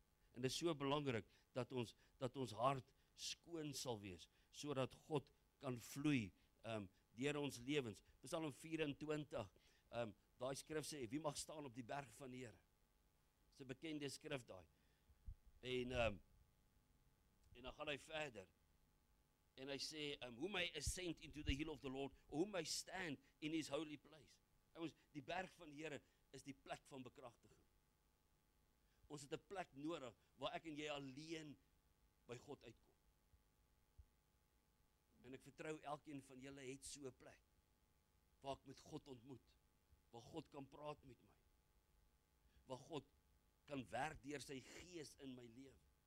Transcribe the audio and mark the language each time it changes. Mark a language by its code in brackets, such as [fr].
[af] En dit is so belangrik dat ons hart skoon sal wees, sodat God kan vloei deur ons lewens. Psalm 24, daai skrif sê, wie mag staan op die berg van die Here? Dis 'n bekende skrif daai. En dan gaan hy verder. En hy sê, [en] who may ascend into the hill of the Lord, or who may stand in his holy place? [af] Ons, die berg van die Here is die plek van bekragtiging. Ons het 'n plek nodig waar ek en jy alleen by God uitkom. En ek vertrou elkeen van julle het so 'n plek waar ek met God ontmoet, waar God kan praat met my, waar God kan werk deur sy gees in my lewe.